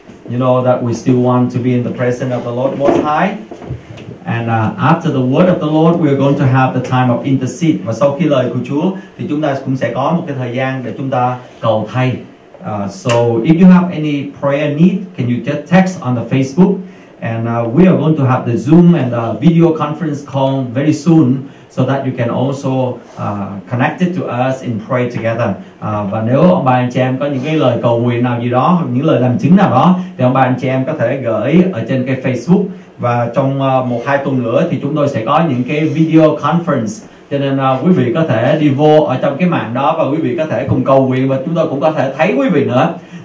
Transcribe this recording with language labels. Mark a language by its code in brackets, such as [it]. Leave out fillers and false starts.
[en] you know, that we still want to be in the presence of the Lord Most High. And after the word of the Lord, we are going to have the time of intercede. [vi] Và sau khi lời của Chúa, thì chúng ta cũng sẽ có một cái thời gian để chúng ta cầu thay. [en] So if you have any prayer need, can you just text on the Facebook? And we are going to have the Zoom and the video conference call very soon, so that you can also connect it to us and pray together. [vi] Và nếu ông bà anh chị em có những cái lời cầu nguyện nào gì đó, những lời làm chứng nào đó, thì ông bà anh chị em có thể gửi ở trên cái Facebook. Và trong 1-2 tuần nữa thì chúng tôi sẽ có những cái video conference. Cho nên quý vị có thể đi vô ở trong cái mạng đó và quý vị có thể cùng cầu nguyện và chúng tôi cũng có thể thấy quý vị nữa.